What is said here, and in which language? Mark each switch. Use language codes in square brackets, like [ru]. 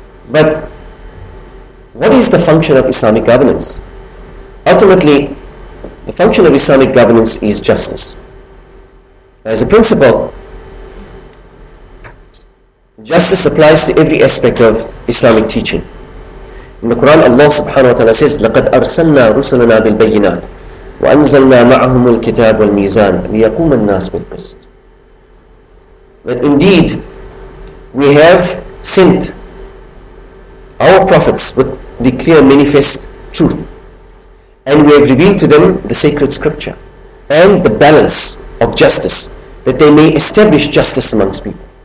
[en] But what is the function of Islamic governance? Ultimately, the function of Islamic governance is justice. As a principle, justice applies to every aspect of Islamic teaching. In the Quran, Allah subhanahu wa ta'ala says, [ar] لَقَدْ أَرْسَلْنَا رُسُلَنَا بِالْبَيِّنَاتِ وَأَنزَلْنَا مَعَهُمُ الْكِتَابُ وَالْمِيزَانِ لِيَقُومَ النَّاسِ بِالْقِسْطِ. [en] But indeed, we have sent our prophets with the clear manifest truth, and we have revealed to them the sacred scripture and the balance of justice, that they may establish justice amongst people.